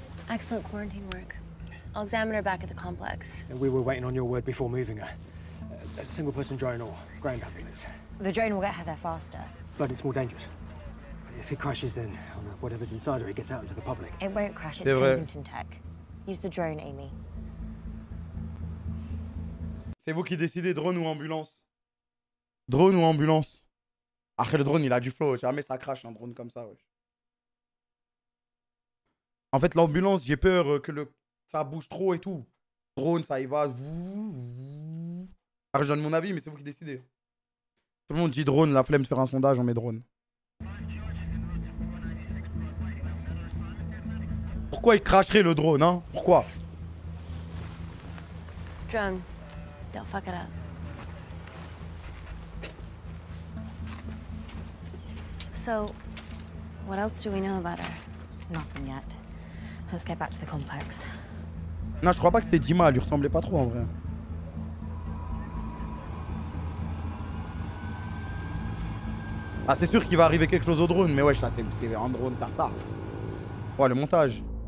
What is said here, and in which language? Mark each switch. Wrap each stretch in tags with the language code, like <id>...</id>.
<en>Excellent quarantine work. I'll examine her back at the complex. We were waiting on your word before moving her. A single person drone or ground ambulance. The drone will get her there faster. But it's more dangerous. If it crashes, then whatever's inside her, it gets out into the public. It won't crash, it's Kensington tech. Use the drone, Amy.</en> <fr>C'est vous qui décidez, drone ou ambulance? Drone ou ambulance? Après, le drone, il a du flow. Jamais ça crache un drone comme ça. Ouais. En fait, l'ambulance, j'ai peur que ça bouge trop et tout. Drone, ça y va. Après, je donne mon avis, mais c'est vous qui décidez. Tout le monde dit drone, la flemme de faire un sondage, on met drone. Pourquoi il cracherait le drone, hein? Pourquoi?</fr> <en>Drone, don't fuck it up. So, what else do we know about her? Nothing yet. Let's get back to the complex.</en> <fr>Non, je crois pas que c'était Dima, elle lui ressemblait pas trop en vrai. Ah, c'est sûr qu'il va arriver quelque chose au drone, mais wesh, là, c'est un drone, t'as ça. Ouais, le montage.</fr>